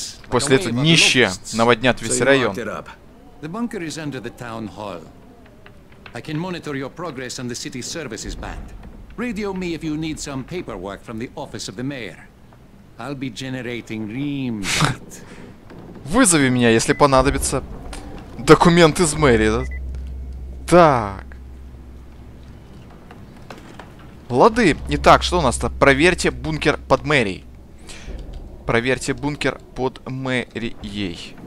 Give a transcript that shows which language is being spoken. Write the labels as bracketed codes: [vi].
[ru] После этого нищие наводнят весь район. [en] The bunker is under the town hall. I can monitor your progress on the city services band. Radio me if you need some paperwork from the office of the mayor. I'll be generating reams. [ru] Вызови меня, если понадобится. Документ из мэрии, да? Так. Лады. Итак, что у нас-то? Проверьте бункер под мэрией. Проверьте бункер под мэрией.